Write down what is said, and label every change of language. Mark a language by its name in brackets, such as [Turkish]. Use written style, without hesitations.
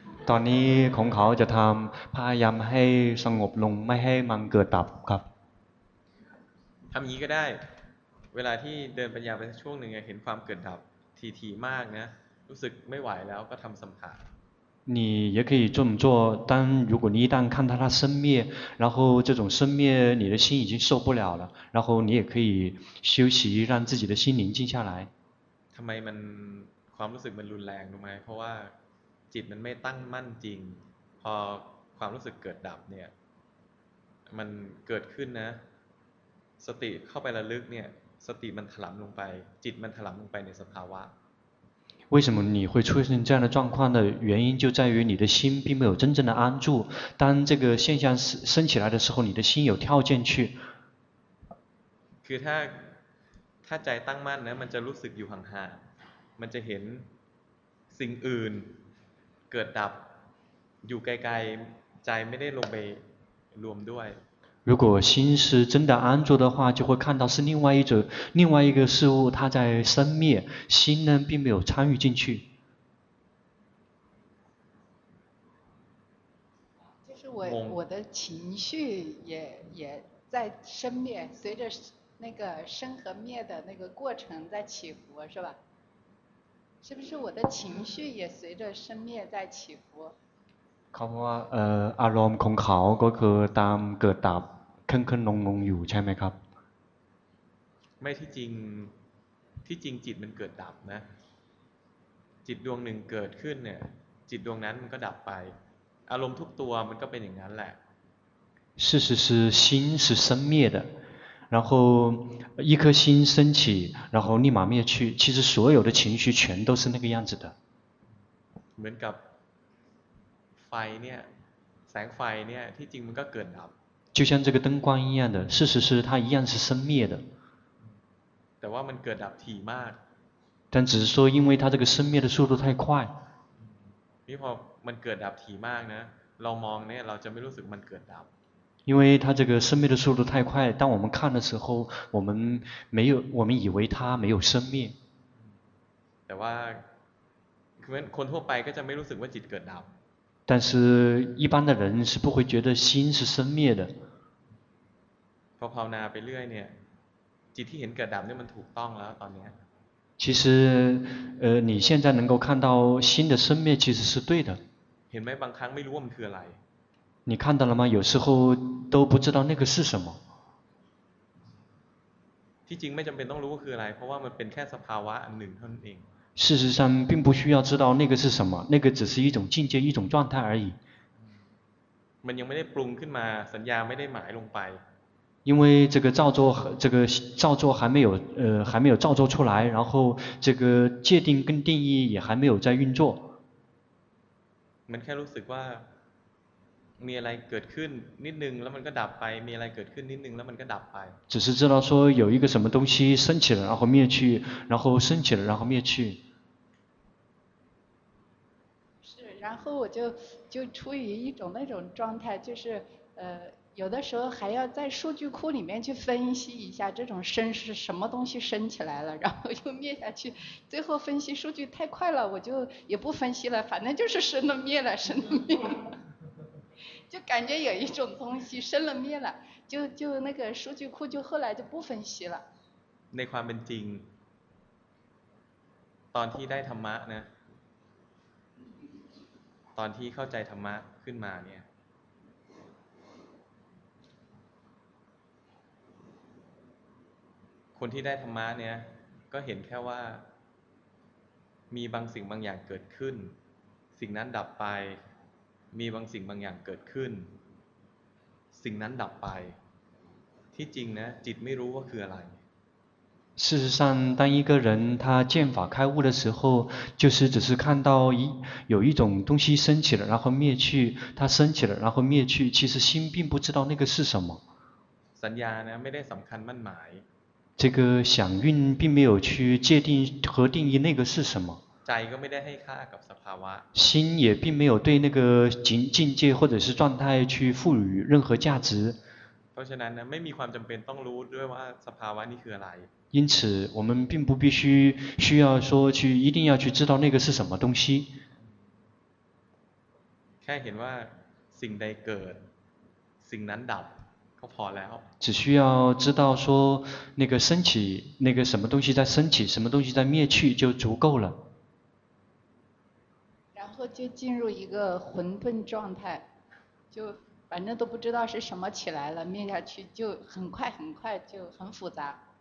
[Thai] ตอนนี้ของเขาจะทำพยายามให้สงบลงไม่ให้มันเกิดดับครับ ทำอย่างนี้ก็ได้เวลาที่เดินปัญญาไปช่วงหนึ่งเห็นความเกิดดับทีๆมากนะรู้สึกไม่ไหวแล้วก็ทำสมถะ [Chinese] 你也可以这么做，但如果你一旦看到它生灭，然后这种生灭你的心已经受不了了，然后你也可以休息，让自己的心宁静下来。 [Thai] ทำไมมันความรู้สึกมันรุนแรงรู้ไหมเพราะว่าจิตมันไม่ตั้งมั่นจริงพอความรู้สึกเกิดดับเนี่ยมันเกิดขึ้นนะสติเข้าไประลึกเนี่ยสติมันถลำลงไปจิตมันถลำลงไปในสภาวะ [Chinese] 为什么你会出现这样的状况呢？原因就在于你的心并没有真正的安住。当这个现象升起来的时候，你的心有跳进去。 [Thai] คือถ้าใจตั้งมั่นนะมันจะรู้สึกอยู่ห่างๆมันจะเห็นสิ่งอื่นเกิดดับอยู่ไกลๆใจไม่ได้ลงไปรวมด้วย [Chinese] 如果心是真的安住的话，就会看到是另外一种、另外一个事物，它在生灭，心呢并没有参与进去。就是我的情绪也在生灭，随着那个生和灭的那个过程在起伏，是吧？是不是我的情绪也随着生灭在起伏？ [Thai] เขาบอกว่าอารมณ์ของเขาก็คือตามเกิดดับขึ้นขึ้นลงลงอยู่ใช่ไหมครับ ไม่ที่จริงที่จริงจิตมันเกิดดับนะจิตดวงหนึ่งเกิดขึ้นเนี่ยจิตดวงนั้นมันก็ดับไปอารมณ์ทุกตัวมันก็เป็นอย่างนั้นแหละ [Chinese] 事实是心是生灭的然后一颗心升起然后立马灭去其实所有的情绪全都是那个样子的 [Thai] เหมือนกับไฟเนี่ยแสงไฟเนี่ยที่จริงมันก็เกิดดับ [Chinese] 就像这个灯光一样的事实是它一样是生灭的 [Thai] แต่ว่ามันเกิดดับถี่มาก [Chinese] 但只是说因为它这个生灭的速度太快 [Thai] นี่พอมันเกิดดับถี่มากนะเรามองเนี่ยเราจะไม่รู้สึกมันเกิดดับ [Chinese] 因为它这个生灭的速度太快当我们看的时候我们以为它没有生灭 [Thai] แต่ว่าคนทั่วไปก็จะไม่รู้สึกว่าจิตเกิดดับ [Chinese] 但是一般的人是不会觉得心是生灭的 [Thai] พอภาวนาไปเรื่อยเนี่ยจิตที่เห็นเกิดดับเนี่ยมันถูกต้องแล้วตอนนี้ [Chinese] 其实你现在能够看到心的生灭其实是对的 [Thai] เห็นไหมบางครั้งไม่รู้ว่ามันคืออะไร [Chinese] 你看到了吗有时候都不知道那个是什么 [Thai] ที่จริงไม่จำเป็นต้องรู้ว่าคืออะไรเพราะว่ามันเป็นแค่สภาวะอันหนึ่งเท่านั้นเอง [Chinese] 事实上并不需要知道那个是什么那个只是一种境界一种状态而已 [Thai] มันยังไม่ได้ปรุงขึ้นมาสัญญาไม่ได้หมายลงไป [Chinese] 因为这个造作还没有造作出来然后这个界定跟定义也还没有在运作 [Thai] มันแค่รู้สึกว่ามีอะไรเกิดขึ้นนิดนึงแล้วมันก็ดับไปมีอะไรเกิดขึ้นนิดนึงแล้วมันก็ดับไป [Chinese] 只是知道说有一个什么东西升起了然后灭去然后升起了然后灭去是然后我就处于一种那种状态就是有的时候还要在数据库里面去分析一下这种升是什么东西升起来了然后又灭下去最后分析数据太快了我就也不分析了反正就是升了灭了升了灭了就感觉有一种东西生了灭了就那个数据库就后来就不分析了 [Thai] ในความเป็นจริงตอนที่ได้ธรรมะนะตอนที่เข้าใจธรรมะขึ้นมาเนี่ยคนที่ได้ธรรมะเนี่ยก็เห็นแค่ว่ามีบางสิ่งบางอย่างเกิดขึ้นสิ่งนั้นดับไปมีบางสิ่งบางอย่างเกิดขึ้นสิ่งนั้นดับไปที่จริงนะจิตไม่รู้ว่าคืออะไร [Chinese] 事实上当一个人他见法开悟的时候就是只是看到有一种东西升起了然后灭去它升起了然后灭去其实心并不知道那个是什么 [Thai] สัญญานะไม่ได้สำคัญมั่นหมาย [Chinese] 这个想运并没有去界定和定义那个是什么 [Thai] ใจก็ไม่ได้ให้ค่ากับสภาวะ [Chinese] 心也并没有对那个境界或者是状态去赋予任何价值 [Thai] เพราะฉะนั้นไม่มีความจำเป็นต้องรู้ด้วยว่าสภาวะนี้คืออะไร [Chinese] 因此我们并不必须需要说去一定要去知道那个是什么东西 [Thai] แค่เห็นว่าสิ่งใดเกิดสิ่งนั้นดับก็พอแล้ว [Chinese] 只需要知道说那个升起那个什么东西在升起什么东西在灭去就足够了然后就进入一个混沌状态就反正都不知道是什么起来了灭下去就很快很快就很复杂